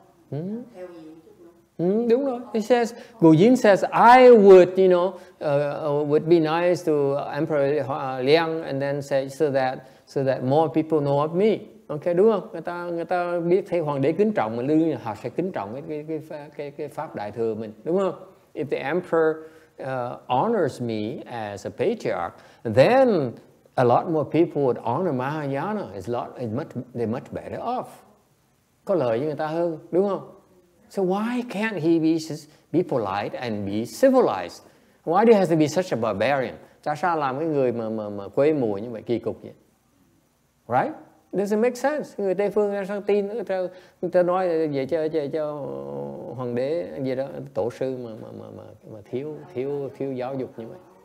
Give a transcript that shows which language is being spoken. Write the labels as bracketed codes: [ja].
[en] Mm. [vi] Đúng rồi. [en] It says, Gu Jin says, I would, you know, would be nice to Emperor Liang and then say so that more people know of me. [vi] Okay, đúng không? Người ta biết thấy hoàng đế kính trọng mà lưu, họ sẽ kính trọng cái pháp đại thừa mình, đúng không? [en] If the emperor honors me as a patriarch, then a lot more people would honor Mahayana. They're much better off. [vi] Có lợi cho người ta hơn, đúng không? [en] So why can't he be polite and be civilized? Why do he have to be such a barbarian? [vi] Tại sao làm cái người mà quê mùa như vậy, kỳ cục vậy? [en] Right? Doesn't make sense. [vi] Người Tây phương ra sao tin, ta nói vậy cho hoàng đế gì đó, tổ sư mà thiếu giáo dục như vậy.